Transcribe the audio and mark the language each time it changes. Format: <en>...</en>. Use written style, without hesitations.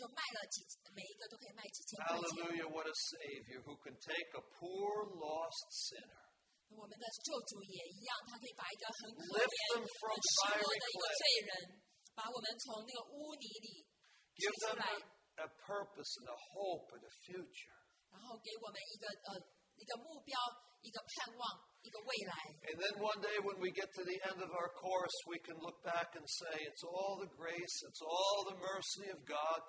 <zh>然后他把这些废物呢，做成一些东西，就卖了几，每一个都可以卖几千块钱。</zh> <en>Hallelujah, what a Savior who can take a poor, lost sinner.</en> <zh>我们的救主也一样，他可以把一个很可怜、很失落的一个罪人。</zh> <en>Give them a purpose and a hope and a future.</en> <zh>然后给我们一个目标，一个盼望，一个未来。</zh> <en>And then one day when we get to the end of our course, we can look back and say, it's all the grace, it's all the mercy of God.</en>